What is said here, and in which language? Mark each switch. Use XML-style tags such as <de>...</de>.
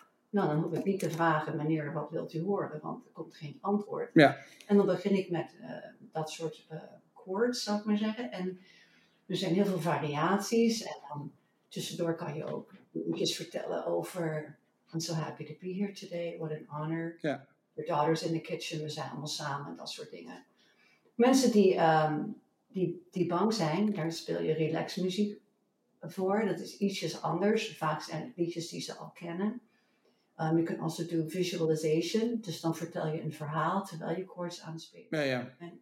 <nl>Nou, dan hoef ik niet te vragen, meneer, wat wilt u horen? Want er komt geen antwoord. Ja. En dan begin ik met dat soort chords, zou ik maar zeggen. En er zijn heel veel variaties. En dan tussendoor kan je ook iets vertellen over...</nl> <en>I'm so happy to be here today. What an honor.</en> <nl>Ja.</nl> <en>Your daughter's in the kitchen.</en> <nl>We zijn allemaal samen. Dat soort dingen. Mensen die... Die bang zijn, daar speel je relaxmuziek voor. Dat is ietsjes anders. Vaak zijn het liedjes die ze al kennen. Je kunt</nl> <en>also do visualization.</en> <nl>Dus dan vertel je een verhaal terwijl je chords aanspreekt. Ja, ja.</nl>